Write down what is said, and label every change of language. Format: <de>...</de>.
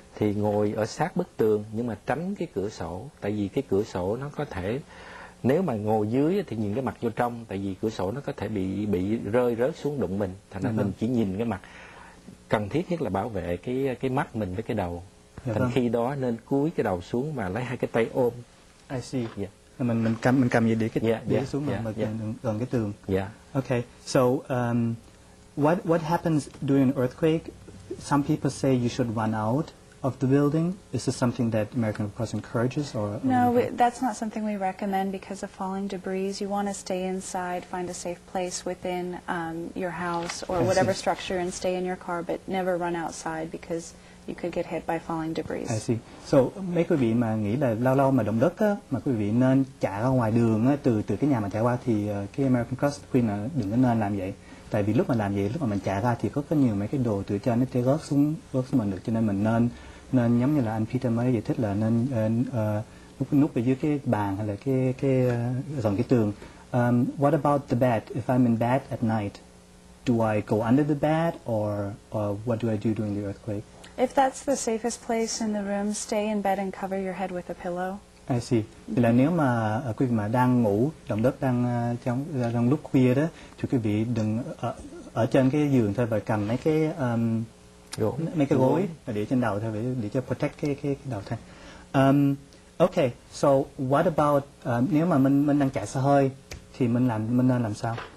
<vi>Thì ngồi ở sát bức tường nhưng mà tránh cái cửa sổ, tại vì cái cửa sổ nó có thể nếu mà ngồi dưới thì nhìn cái mặt vô trong, tại vì cửa sổ nó có thể bị rơi rớt xuống đụng mình, thành ra mình chỉ nhìn cái mặt. Cần thiết nhất là bảo vệ cái mắt mình với cái đầu. Thành khi đó nên cúi cái đầu xuống và lấy hai cái tay ôm.</vi> <en>I see. Yeah.</en> <vi>Mình cầm gì để cái xuống mà gần cái tường.</vi> <en>Yeah. Okay. So what happens during an earthquake? Some people say you should run out of the building. Is this something that American Red Cross encourages or no? That's not something we recommend because of falling debris. You want to stay inside, find a safe place within your house or whatever structure, and stay in your car. But never run outside because you could get hit by falling debris. I see.</en> <vi>So, mấy quý vị mà nghĩ là lâu lâu mà động đất á, mà quý vị nên chạy ra ngoài đường á, từ cái nhà mà chạy qua thì cái American Cross khuyên là đừng có nên làm vậy. Tại vì lúc mà làm vậy, lúc mà mình chạy ra thì có nhiều mấy cái đồ từ trên nó sẽ rớt xuống mình được, cho nên mình nên giống như là anh Peter mới giải thích là nên núp ở dưới cái bàn hay là cái gần cái tường.</vi> <en>What about the bed? If I'm in bed at night, do I go under the bed or what do I do during the earthquake? If that's the safest place in the room, stay in bed and cover your head with a pillow. I see.</en> <vi>Thì là nếu mà quý vị mà đang ngủ, động đất đang trong lúc khuya đó, thì quý vị đừng ở trên cái giường thôi và cầm mấy cái gối để trên đầu thôi để cho protect cái đầu thôi.</vi> <en>Okay, so what about</en> <vi>nếu mà mình đang chạy xe hơi thì mình nên làm sao?</vi>